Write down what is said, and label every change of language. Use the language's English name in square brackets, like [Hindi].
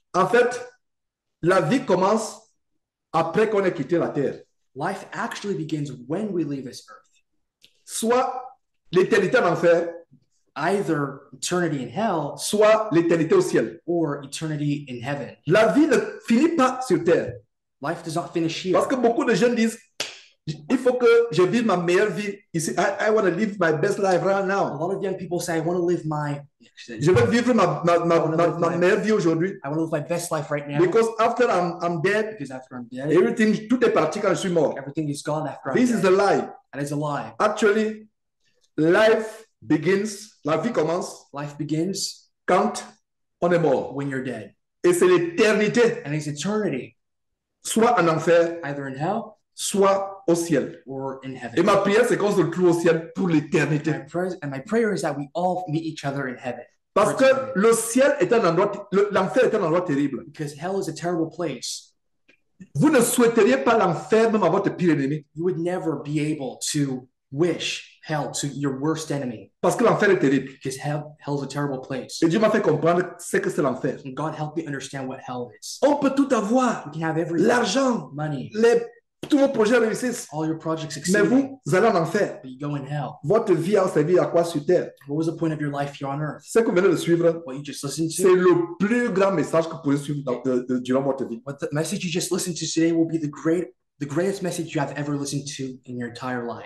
[French] En fait, la vie commence après qu'on ait quitté la terre. [English] Life actually begins when we leave this earth. [French] Soit l'éternité en enfer, [English] either eternity in hell, [French] soit l'éternité au ciel, [English] or eternity in heaven. [French] La vie ne finit pas sur terre. [English] Life does not finish here. [French] Parce que beaucoup de jeunes disent, il faut que je vive ma meilleure vie. [English] You see, I want to live my best life right now. A lot of young people say, I want to live my... [French] Je veux vivre ma meilleure vie aujourd'hui. [English] I want to live my best life right now. Because after I'm dead, because after I'm dead, [French] everything, tout est parti quand je suis mort. [English] Everything is gone after this I'm dead. This is a lie. And it's a lie. Actually, life begins, [French] la vie commence, [English] life begins, [French] quand on est mort. [English] When you're dead. [French] Et c'est l'éternité. [English] And it's eternity. [French] Soit en enfer, [English] either in hell, [French] soit au ciel. [English] Or in heaven. [French] Et ma prière, c'est qu'on se trouve au ciel pour l'éternité. [English] And my prayer is that we all meet each other in heaven. [French] Parce que le ciel est un endroit, l'enfer est un endroit terrible. [English] Because hell is a terrible place. [French] Vous ne souhaiteriez pas l'enfer même à votre pire ennemi. [English] You would never be able to wish hell to your worst enemy. [French] Parce que l'enfer est terrible. [English] Because hell is a terrible place. [French] Et Dieu m'a fait comprendre ce que c'est l'enfer. [English] And God helped me understand what hell is. [French] On peut tout avoir. [English] We can have everything. [French] L'argent. [English] Money. [French] Tous vos projets réussissent. [English] All your projects succeed. [French] Mais vous allez en enfer. [English] But you go in hell. [French] Votre vie a servi à quoi sur terre? [English] What was the point of your life here on earth? [French] Ce que vous venez de suivre, [English] what you just listened to, [French] c'est le plus grand message que vous pouvez suivre durant votre vie. [English] What the message you just listened to today will be the greatest message you have ever listened to in your entire life.